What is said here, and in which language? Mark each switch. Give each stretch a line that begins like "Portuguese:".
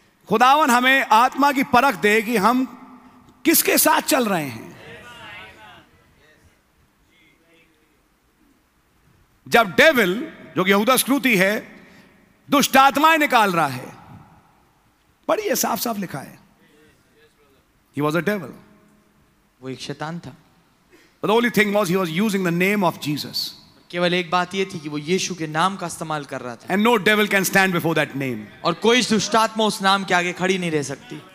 Hindi: खुदावन हमें आत्मा की परख दे कि हम किसके साथ चल रहे हैं. Amen. जब डेविल जो कि यहूदा स्क्रूती है दुष्ट आत्माएं निकाल रहा है, पढ़िए साफ साफ लिखा है,
English: he was a devil,
Hindi: वो एक शैतान था.
English: But the only thing was he was using the name of Jesus.
Hindi: केवल एक बात यह थी कि वो यीशु के नाम का इस्तेमाल कर रहा था.
English: And no devil can stand before that name.
Hindi: और कोई दुष्ट आत्मा उस नाम के आगे खड़ी नहीं रह सकती.